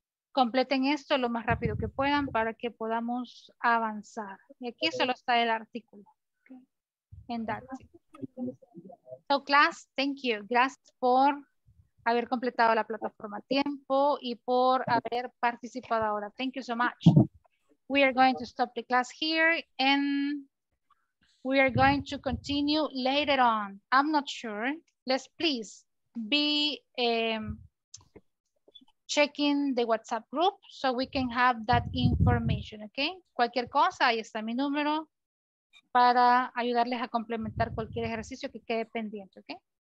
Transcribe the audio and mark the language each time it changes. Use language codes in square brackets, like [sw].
[es] Completen esto lo más rápido que puedan para que podamos avanzar. Y aquí solo está el artículo. ¿Okay? En that. [en] So class, thank you. [es] Gracias por haber completado la plataforma a tiempo y por haber participado ahora. [en] Thank you so much. We are going to stop the class here and we are going to continue later on. I'm not sure. Let's please be checking the WhatsApp group so we can have that information, okay? [es] Cualquier cosa, ahí está mi número para ayudarles a complementar cualquier ejercicio que quede pendiente, okay?